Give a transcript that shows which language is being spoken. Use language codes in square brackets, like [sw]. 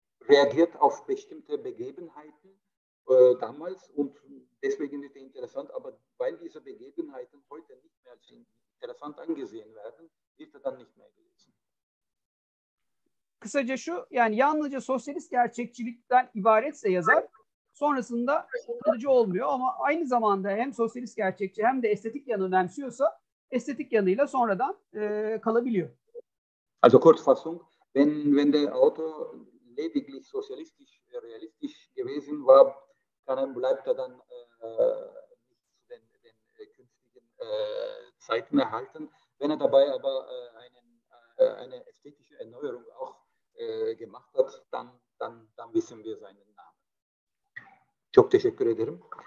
[de] Reagiert auf bestimmte Begebenheiten damals und deswegen ist er interessant, aber weil diese Begebenheiten heute nicht mehr als interessant angesehen werden, ist er dann nicht mehr gelesen. [tr] Kısaca şu, yani yalnızca sosyalist gerçekçilikten ibaretse yazar, sonrasında kalıcı olmuyor ama aynı zamanda hem sosyalist gerçekçi hem de estetik yanı önemsiyorsa, estetik yanıyla sonradan kalabiliyor. [de] Also Kurzfassung, wenn der Autor lediglich sozialistisch, realistisch gewesen war, dann bleibt er dann nicht zu den künftigen Zeiten erhalten. Wenn er dabei aber eine ästhetische Erneuerung auch gemacht hat, dann wissen wir seinen Namen. [tr] Çok teşekkür ederim.